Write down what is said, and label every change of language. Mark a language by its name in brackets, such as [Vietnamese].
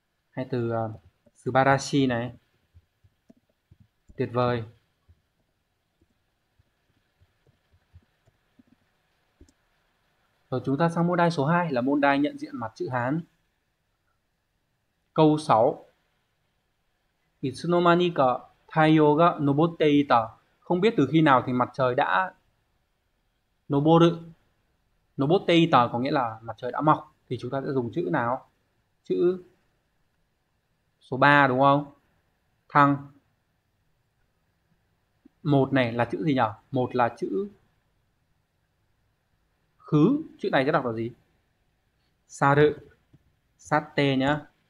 [Vietnamese] Hay từ subarashi này. Tuyệt vời. Rồi chúng ta sang môn đai số 2 là môn đai nhận diện mặt chữ Hán. Câu 6. [Japanese] いつの間にか太陽が昇っていた。 [Vietnamese] Không biết từ khi nào thì mặt trời đã [Japanese] 昇る。昇っていた [Vietnamese] có nghĩa là mặt trời đã mọc. Thì chúng ta sẽ dùng chữ nào? Chữ số 3 đúng không? Thăng. Một này là chữ gì nhỉ? Một là chữ khứ. Chữ này sẽ đọc là gì? Saru. Sate nhá.